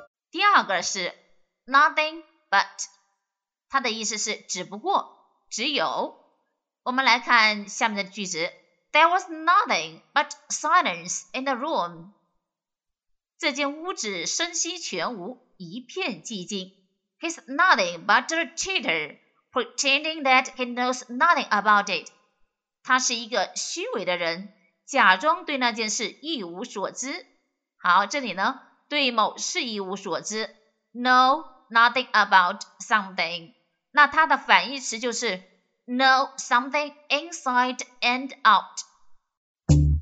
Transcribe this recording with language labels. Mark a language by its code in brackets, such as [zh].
[zh] 第二个是 nothing but， 它的意思是只不过、只有。我们来看下面的句子， [en] There was nothing but silence in the room. [zh] 这间屋子深息全无，一片寂静。 [en] He's nothing but a cheater, pretending that he knows nothing about it. [zh] 他是一个虚伪的人，假装对那件事一无所知。好，这里呢，对某事一无所知， [en] know nothing about something. [zh] 那它的反义词就是 [en] Know something inside and out.